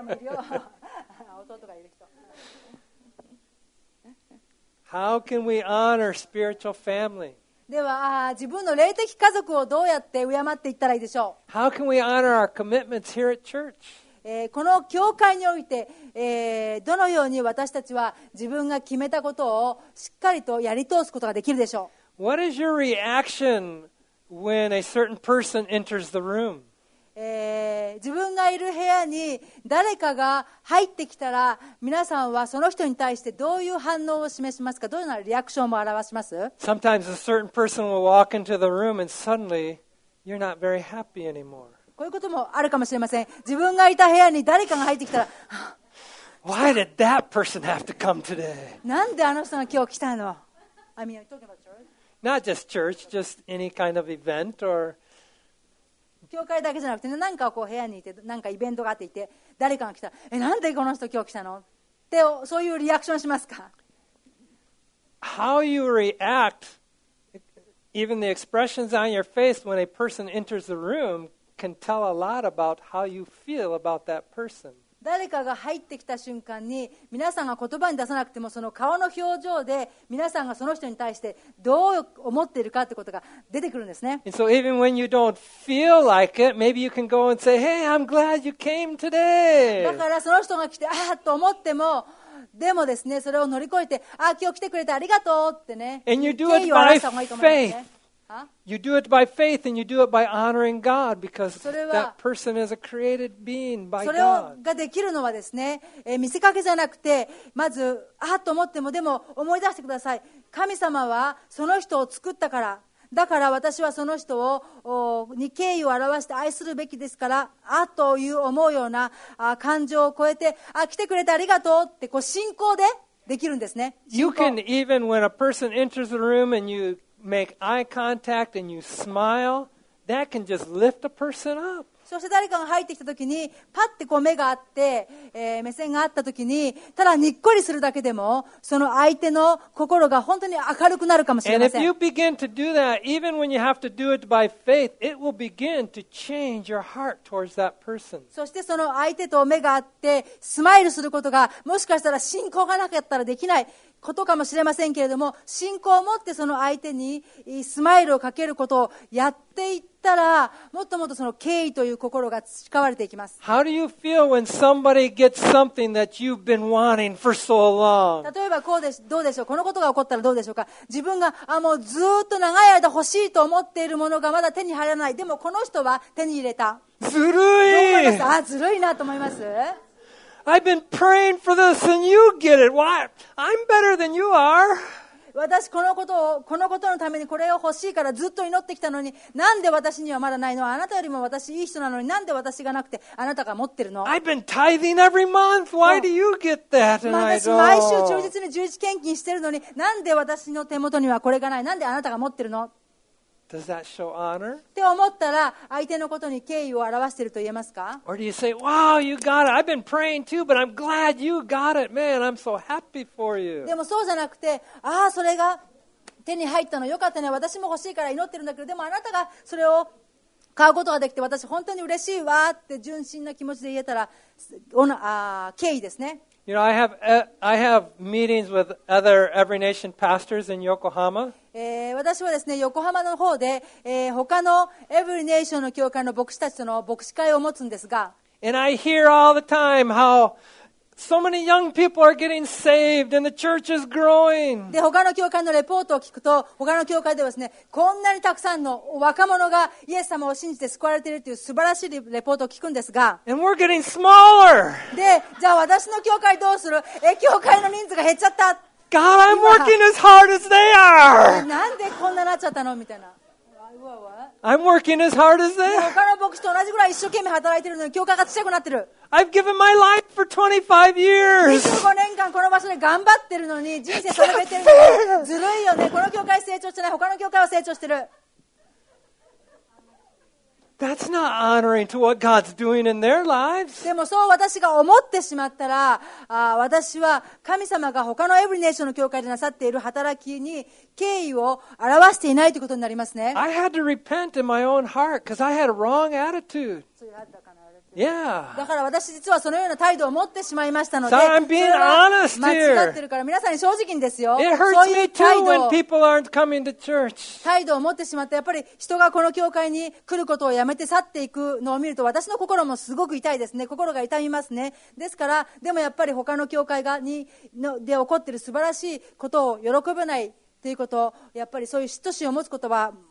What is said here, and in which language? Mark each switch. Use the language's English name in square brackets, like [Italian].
[Japanese] なんでリナちゃんもいるよ。弟がいる人。 [English] How can we honor spiritual family? [Japanese] では自分の霊的家族をどうやって敬っていったらいいでしょう。 [English] How can we honor our commitments here at church? [Japanese] この教会において、どのように私たちは自分が決めたことをしっかりとやり通すことができるでしょう。 [English] What is your reaction when a certain person enters the room. [Japanese] 自分がいる部屋に誰かが入ってきたら、皆さんはその人に対してどういう反応を示しますか？どういうようなリアクションを表します？ [English] Sometimes a certain person will walk into the room and suddenly you're not very happy anymore. [Japanese] こういうこともあるかもしれません。自分がいた部屋に誰かが入ってきたら、 [English] Why did that person have to come today? [Japanese] なんであの人が今日来たの？ [English] I mean, talking about church. Not just church, just any kind of event or... [Japanese] 教会だけじゃなくて、ね、なんかこう部屋にいて、なんかイベントがあっていて、誰かが来た、え、なんでこの人今日来たのって、そういうリアクションしますか？ [English] How you react, even the expressions on your face when a person enters the room, can tell a lot about how you feel about that person. [Japanese] 誰かが入ってきた瞬間に、皆さんが言葉に出さなくても、その顔の表情で、皆さんがその人に対してどう思っているかってことが出てくるんですね。 [English] And so even when you don't feel like it, maybe you can go and say, Hey, I'm glad you came today! [Japanese] だからその人が来て、あーと思っても、でもですね、それを乗り越えて、あー今日来てくれてありがとうってね。 [English] And you do it by faith. You do it by faith and you do it by honoring God because that person is a created being by God. [Japanese] それができるのはですね、見せかけじゃなくて、まず、あっと思っても、でも思い出してください。神様はその人を作ったから、だから私はその人をに敬意を表して愛するべきですから、あっという思うような感情を超えて、あ、来てくれてありがとうってこう信仰でできるんですね。 [English] You can even when a person enters the room and youMake eye contact and you smile. That can just lift a person up. [Japanese] そして誰かが入ってきたときに、パッてこう目があって、目線があったときに、ただにっこりするだけでも、その相手の心が本当に明るくなるかもしれません。 [English] And if you begin to do that, even when you have to do it by faith, it will begin to change your heart towards that person. [Japanese] そしてその相手と目があって、スマイルすることが、もしかしたら信仰がなかったらできない。ことかもしれませんけれども、信仰を持ってその相手にスマイルをかけることをやっていったら、もっともっとその敬意という心が培われていきます。 [English] How do you feel when somebody gets something that you've been wanting for so long? [Japanese] 例えばこうです、どうでしょう。このことが起こったらどうでしょうか。自分が、あ、もうずっと長い間欲しいと思っているものがまだ手に入らない。でもこの人は手に入れた。ずるい。どう思いますか？あ、ずるいなと思います。 [English] I've been praying for this and you get it. Why? I'm better than you are. [Japanese] 私このことを、このことのためにこれを欲しいからずっと祈ってきたのに、なんで私にはまだないの？あなたよりも私いい人なのに、なんで私がなくてあなたが持ってるの？ [English] I've been tithing every month. Why do you get that? [Japanese] 私毎週忠実に十字献金してるのに、なんで私の手元にはこれがない？なんであなたが持ってるの？ [English] Does that show honor? [Japanese] って思ったら、相手のことに敬意を表していると言えますか？ [English] Or do you say, wow, you got it. I've been praying too, but I'm glad you got it. Man, I'm so happy for you. [Japanese] でもそうじゃなくて、ああ、それが手に入ったの。よかったね。私も欲しいから祈ってるんだけど、でもあなたがそれを買うことができて、私本当に嬉しいわって純真な気持ちで言えたら、敬意ですね。 [English] You know, I have meetings with other Every Nation pastors in Yokohama. [Japanese] 私はですね、横浜の方で、他の Every Nation の教会の牧師たちとの牧師会を持つんですが。 [English] And I hear all the time how so many young people are getting saved and the church is growing. [Japanese] で、他の教会のレポートを聞くと、他の教会ではですね、こんなにたくさんの若者がイエス様を信じて救われているという素晴らしいレポートを聞くんですが。 [English] And we're getting smaller. [Japanese] で、じゃあ私の教会どうする？え、教会の人数が減っちゃった。 [English] God, I'm working as hard as they are. [Japanese] なんでこんななっちゃったのみたいな。 [English] I'm working as hard as they are. [Japanese] 他の牧師と同じぐらい一生懸命働いてるのに教会が小さくなってる。 [English] I've given my life for 25 years. [Japanese] 25年間この場所で頑張ってるのに人生捧げてるのに、ずるいよね。この教会成長してない。他の教会は成長してる。 [English] That's not honoring to what God's doing in their lives. [Japanese] でもそう私が思ってしまったら、私は神様が他のエブリネーションの教会でなさっている働きに敬意を表していないということになりますね。 [English] I had to repent in my own heart because I had a wrong attitude. Yeah. [Japanese] だから私実はそのような態度を持ってしまいましたので、 [English] so、I'm being honest here. [Japanese] 間違ってるから皆さんに正直にですよ。 [English] It hurts me too when people aren't coming to church. [Japanese] 態度を持ってしまって、やっぱり人がこの教会に来ることをやめて去っていくのを見ると私の心もすごく痛いですね。心が痛みますね。ですから、でもやっぱり他の教会がにので起こっている素晴らしいことを喜べないということ、やっぱりそういう嫉妬心を持つことは